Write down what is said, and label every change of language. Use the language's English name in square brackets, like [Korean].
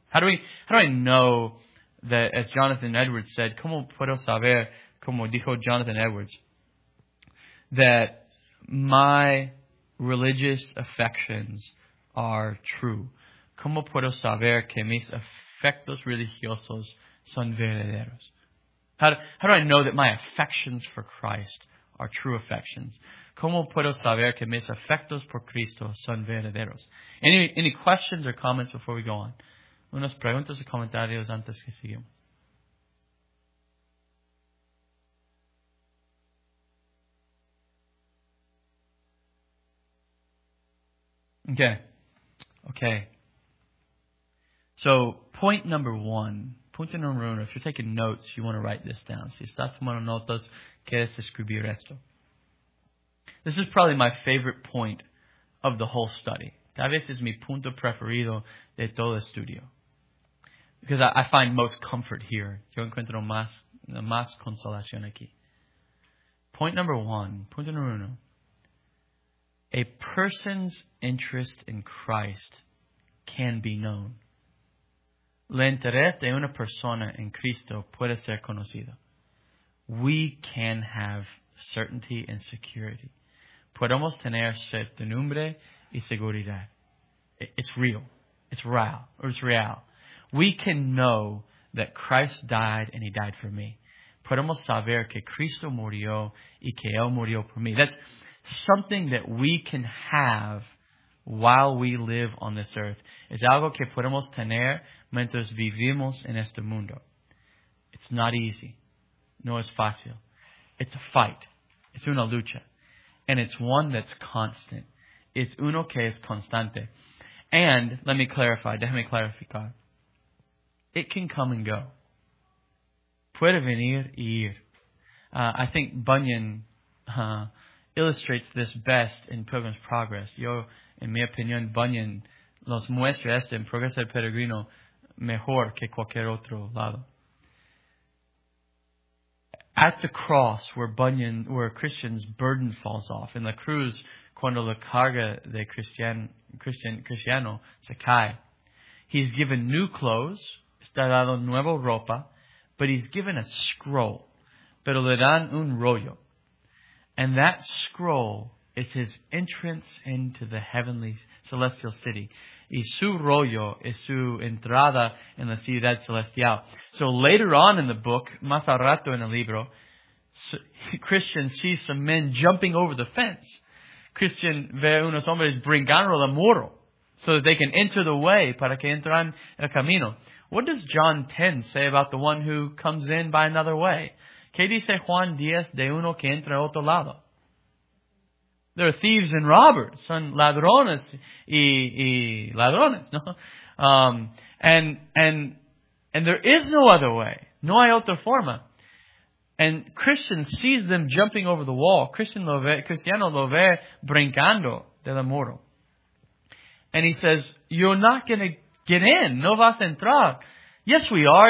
[English] How do I know that, as Jonathan Edwards said, [Spanish] ¿cómo puedo saber, como dijo Jonathan Edwards, [English] that my religious affections are true? [Spanish] ¿Cómo puedo saber que mis afectos religiosos son verdaderos? [English] How do I know that my affections for Christ are true affections? [Spanish] ¿Cómo puedo saber que mis afectos por Cristo son verdaderos? [English] Any questions or comments before we go on? [Spanish] Unas preguntas o comentarios antes que sigamos. [English] Okay. So, [Spanish] punto número uno, [English] if you're taking notes, you want to write this down. [Spanish] Si estás tomando notas, quieres escribir esto. [English] This is probably my favorite point of the whole study. [Spanish] Tal vez es mi punto preferido de todo el estudio. [English] Because I find most comfort here. [Spanish] Yo encuentro más consolación aquí. Punto número uno. [English] A person's interest in Christ can be known. [Spanish] Le interés de una persona en Cristo puede ser conocido. [English] We can have certainty and security. [Spanish] Podemos tener certidumbre y seguridad. [English] It's real. It's real. We can know that Christ died and he died for me. [Spanish] Podemos saber que Cristo murió y que él murió por mí. [English] That's something that we can have while we live on this earth. [Spanish] Es algo que podemos tener mientras vivimos en este mundo. [English] It's not easy. [Spanish] No es fácil. [English] It's a fight. It's [Spanish] una lucha. [English] And it's one that's constant. It's [Spanish] uno que es constante. [English] And let me clarify. [Spanish] Déjame clarificar. [English] It can come and go. [Spanish] Puede venir y ir. [English] I think Bunyan illustrates this best in Pilgrim's Progress. [Spanish] Yo, en mi opinión, Bunyan los muestra esto en Progreso del Peregrino mejor que cualquier otro lado. [English] At the cross where Christian's burden falls off, [Spanish] en la cruz, cuando la carga de Cristiano se cae, [English] he's given new clothes, [Spanish] está dado nueva ropa, [English] but he's given a scroll, [Spanish] pero le dan un rollo. [English] And that scroll is his entrance into the heavenly celestial city. [Spanish] Y su rollo es su entrada en la ciudad celestial. [English] So later on in the book, [Spanish] más a rato en el libro, [English] Christian sees some men jumping over the fence. [Spanish] Christian ve unos hombres brincando el muro [English] so that they can enter the way, [Spanish] para que entran el camino. [English] What does John 10 say about the one who comes in by another way? [Spanish] ¿Qué dice Juan 10 de uno que entra a otro lado? [English] There are thieves and robbers. [Spanish] Son ladrones y ladrones, ¿no? [English] And there is no other way. [Spanish] No hay otra forma. [English] And Christian sees them jumping over the wall. [Spanish] Cristiano lo ve brincando de la muro. [English] And he says, you're not going to get in. [Spanish] No vas a entrar. [English] Yes, we are.